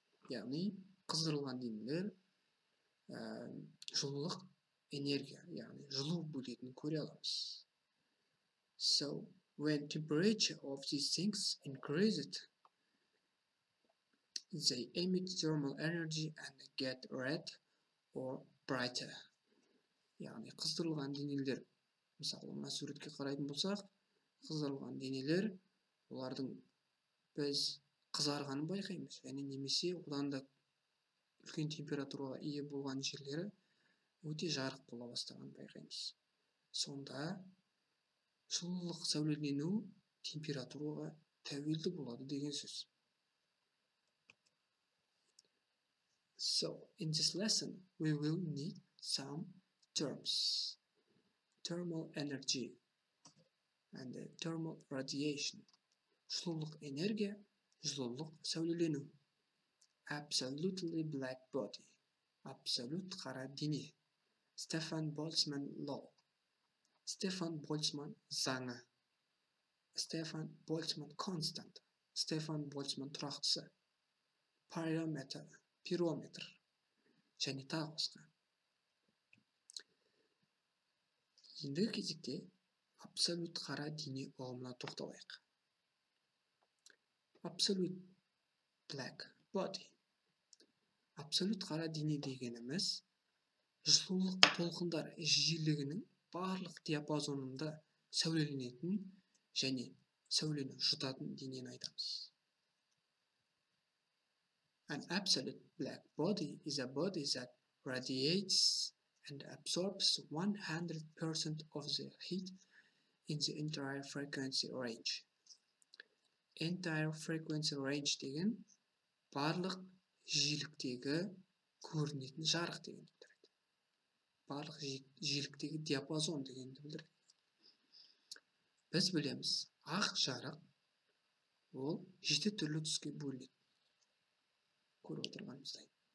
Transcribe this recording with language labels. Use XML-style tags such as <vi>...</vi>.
<kk>Яғни қыздырылған денелер жылулық энергия, яғни жылу бөлетін көре аламыз.</kk> <en>So, when temperature of these things increases, they emit thermal energy and get red or brighter.</en> <kk>Яғни қыздырылған денелер, мысалы, мына суретке қарайтын болсақ, қыздырылған денелер, олардың біз қызарғанын байқаймыз, және немесе одан да үлкен температураға ие болған жерлері өте жарық бола бастаған байқаймыз. Сонда жылулық сәулелену температураға тәуелді болады деген сөз.</kk> <en>So, in this lesson, we will need some terms. Thermal energy and thermal radiation.</en> <kk>Жылулық энергия, жылулық сәулелену.</kk> <en>Absolutely black body.</en> <kk>Абсолют қара дене. Стефан Больцман Лоу. Стефан Больцман Заңы.</kk> <en>Стефан Больцман Констант.</en> <kk>Стефан Больцман Тұрақтысы. Пирометр. Және тағы басқа. Енді кезекте абсолют қара дене ұғымына тоқталайық.</kk> <en>Абсолют black body.</en> <kk>Абсолют қара дене дегеніміз жылулық толқындар жиілігінің барлық диапазонында сәуленетін және сәулені жұтатын денені айтамыз.</kk> <en>An absolute black body is a body that radiates and absorbs 100% of the heat in the entire frequency range. Entire frequency range</en> <kk>деген барлық жиіліктегі көрінетін жарық деген. Барлық жиіліктегі диапазон дегенді білдіреді. Біз білеміз, ақ жарық ол жеті түрлі түске бөлінеді. Көріп отырғанымыздай.</kk>